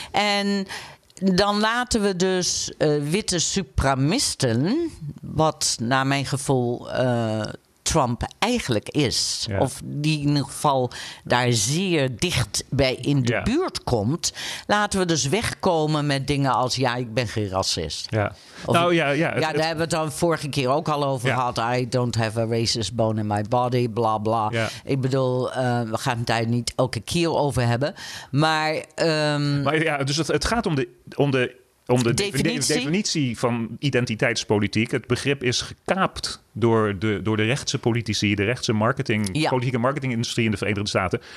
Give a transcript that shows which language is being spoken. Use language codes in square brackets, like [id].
[nl] En dan laten we dus witte supremacisten, wat naar mijn gevoel Trump eigenlijk is, of die in ieder geval daar zeer dicht bij in de buurt komt, laten we dus wegkomen met dingen als, ja, ik ben geen racist. Ja. Of, nou, daar hebben we het dan vorige keer ook al over gehad. [en] I don't have a racist bone in my body, bla bla. [nl] Ja. Ik bedoel, we gaan het daar niet elke keer over hebben. Maar dus het gaat om de definitie van identiteitspolitiek. Het begrip is gekaapt door de rechtse politici, de rechtse marketing, politieke marketingindustrie in de Verenigde Staten.